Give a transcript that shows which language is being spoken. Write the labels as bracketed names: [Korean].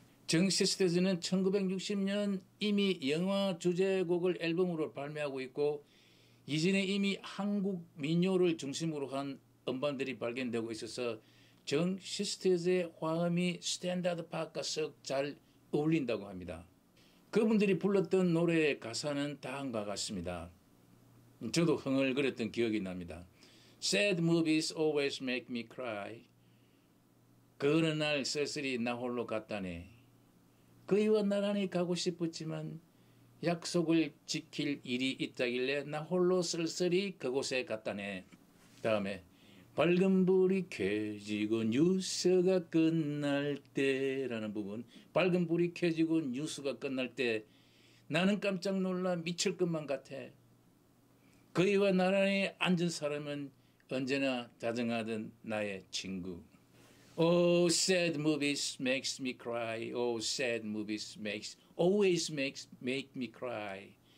[Korean] 정 시스터즈는 1960년 이미 영화 주제곡을 앨범으로 발매하고 있고 이전에 이미 한국 민요를 중심으로 한 음반들이 발견되고 있어서 정 시스터즈의 화음이 스탠다드 팝과 쓱 잘 어울린다고 합니다. 그분들이 불렀던 노래의 가사는 다음과 같습니다. 저도 흥을 그렸던 기억이 납니다. [English] Sad movies always make me cry. [Korean] 그 어느 날 쓸쓸히 나 홀로 갔다네. 그이와 나란히 가고 싶었지만 약속을 지킬 일이 있다길래 나 홀로 쓸쓸히 그곳에 갔다네. 다음에 밝은 불이 켜지고 뉴스가 끝날 때라는 부분. 밝은 불이 켜지고 뉴스가 끝날 때 나는 깜짝 놀라 미칠 것만 같아. 그이와 나란히 앉은 사람은 언제나 다정하던 나의 친구. [English] Oh, sad movies makes me cry. Oh, sad movies makes always makes make me cry.